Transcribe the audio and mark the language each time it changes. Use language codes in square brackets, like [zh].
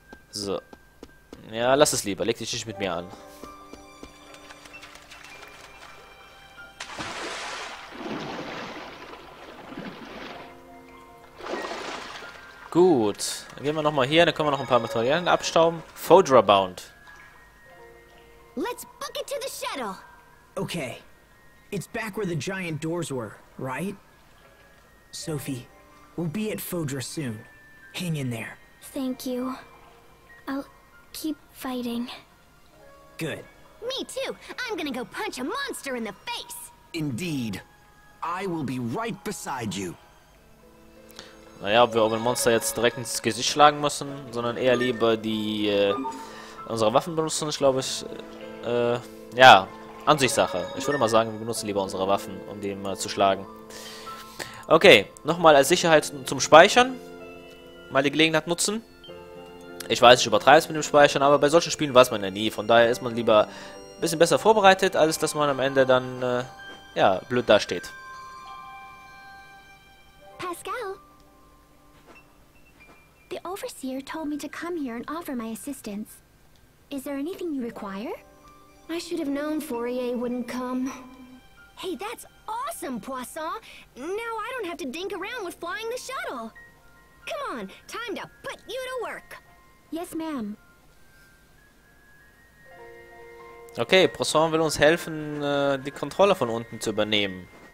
[de] So. Ja, lass es lieber. Leg dich nicht mit mir an. Gut, dann gehen wir nochmal hier, dann können wir noch ein paar Materialien abstauben. [en] Fodra Bound. Let's book it to the shuttle. Okay. It's back where the giant doors were, right? Sophie, we'll be at Fodra soon. Hang in there. Thank you. I'll keep fighting. Good. Me too. I'm gonna go punch a monster in the face. Indeed. I will be right beside you. [de] Naja, ob wir auch ein Monster jetzt direkt ins Gesicht schlagen müssen, sondern eher lieber die unsere Waffen benutzen, ich glaube ich. Ja, Ansichtssache. Ich würde mal sagen, wir benutzen lieber unsere Waffen, um dem zu schlagen. Okay, nochmal als Sicherheit zum Speichern. Mal die Gelegenheit nutzen. Ich weiß, ich übertreibe es mit dem Speichern, aber bei solchen Spielen weiß man ja nie. Von daher ist man lieber ein bisschen besser vorbereitet, als dass man am Ende dann ja, blöd dasteht. [en] Pascal! The overseer told me to come here and offer my assistance. Is there anything you require? I should have known Fourier wouldn't come. Hey, that's awesome, Poisson! Now I don't have to dink around with flying the shuttle! Come on, time to put you to work! Yes, ma'am. [de] Okay, Poisson will uns helfen, die Kontrolle von unten zu übernehmen.